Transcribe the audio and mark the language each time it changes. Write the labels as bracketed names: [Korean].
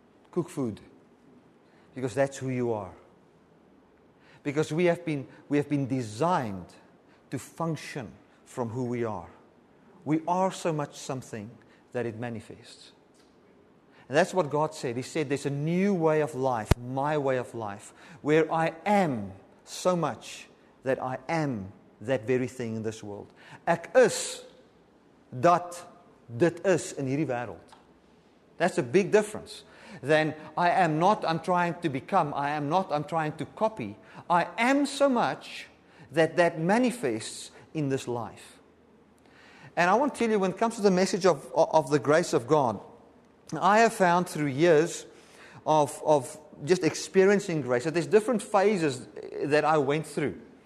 [English] Cook food, because that's who you are. Because we have been designed to function from who we are. We are so much something that it manifests. And that's what God said. He said there's a new way of life, my way of life, where I am so much that I am that very thing in this world. [Afrikaans] Ek is dat dit is in hierdie wêreld. [English] That's a big difference. Then I am not, I'm trying to become. I am not, I'm trying to copy. I am so much that that manifests in this life. And I want to tell you, when it comes to the message of the grace of God, I have found through years of just experiencing grace, that there's different phases that I went through.